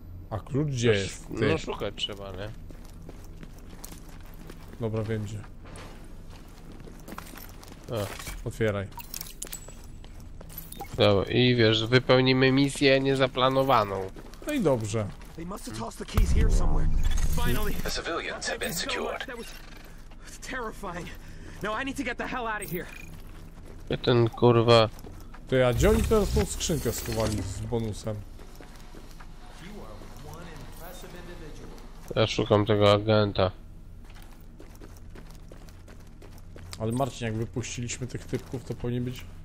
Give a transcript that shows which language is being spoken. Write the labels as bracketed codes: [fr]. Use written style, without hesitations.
[pl] A klucz gdzie jest? No szukać trzeba, nie? Dobra, wiem gdzie. Otwieraj. Dobra, i wiesz, wypełnimy misję niezaplanowaną. No i dobrze. [en] They must have tossed the keys here somewhere. Finally, the civilians have been secured. That was terrifying. Now I need to get the hell out of here. [pl] Ja ten kurwa. To ja, gdzie oni teraz tą skrzynkę schowali z bonusem? Ja szukam tego agenta. Ale Marcin, jak wypuściliśmy tych typków, to powinien być.